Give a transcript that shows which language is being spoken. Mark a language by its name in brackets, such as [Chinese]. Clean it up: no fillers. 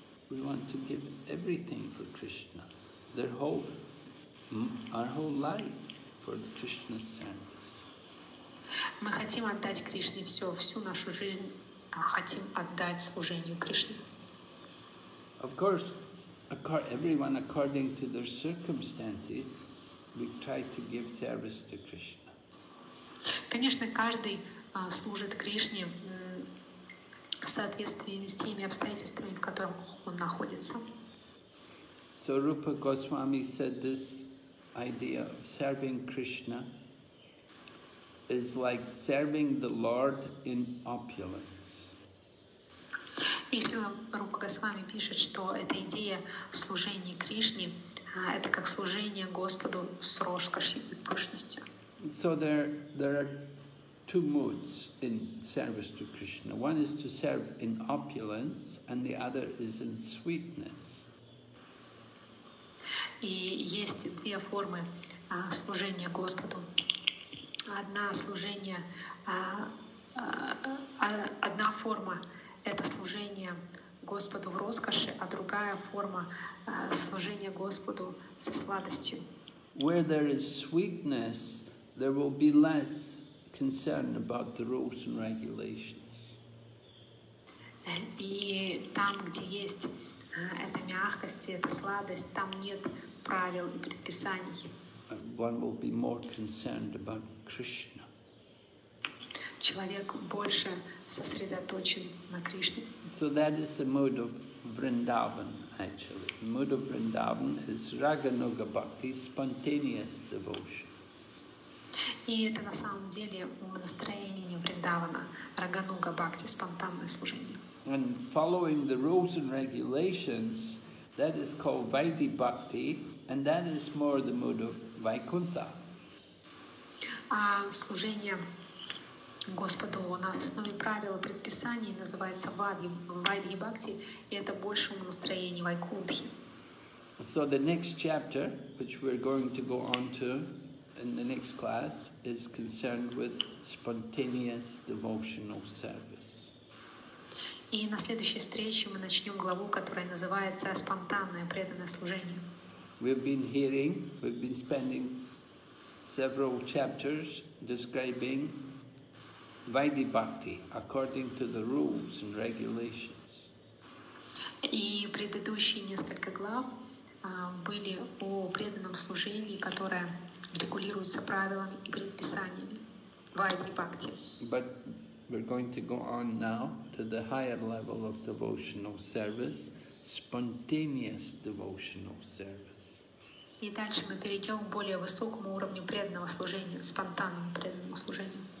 [English] We want to give everything for Krishna, our whole life for the Krishna service. [Russian] Мы хотим отдать Кришне всю нашу жизнь. Хотим отдать служению Кришне. [English] Of course, everyone according to their circumstances, we try to give service to Krishna. [Russian] Конечно, каждый служит Кришне в соответствии с теми обстоятельствами, в которых он находится. [English] So Rupa Goswami said this idea of serving Krishna is like serving the Lord in opulence. [Russian] И Рупа Госвами пишет, что эта идея служения Кришне — это как служение Господу с роскошью и пышностью. [English] So there are two modes in service to Krishna. One is to serve in opulence, and the other is in sweetness. [Russian] И есть две формы служения Господу. Одна форма это служение Господу в роскоши, а другая форма служения Господу со сладостью. [English] Where there is sweetness, there will be less concern about the rules and regulations. [Russian] И там, где есть эта мягкость и эта сладость, там нет правил и предписаний. [English] One will be more concerned about Krishna. [Russian] Человек больше сосредоточен на Кришне. [English] So that is the mood of Vrindavan, actually. The mood of Vrindavan is Raganuga Bhakti, spontaneous devotion. [Russian] И это на самом деле настроение Вриндавана, Рагануга Бхакти, спонтанное служение. [English] And following the rules and regulations, that is called Vaidhi Bhakti, and that is more the mood of Vaikuntha. [Russian] Служение Господу на основе правил и предписаний называется Vaidhi Bhakti, и это больше настроение Вайкунтхи. [English] So the next chapter, which we're going to go on to in the next class, is concerned with spontaneous devotional service. [Russian] И на следующей встрече мы начнем главу, которая называется «Спонтанное преданное служение». [English] We've been hearing, we've been spending several chapters describing Vaidhi Bhakti according to the rules and regulations. [Russian] И предыдущие несколько глав были о преданном служении, которое регулируется правилами и предписаниями Vaidhi Bhakti. [English] But we're going to go on now to the higher level of devotional service, spontaneous devotional service. [Russian] И дальше мы перейдем к более высокому уровню преданного служения, спонтанному преданному служению.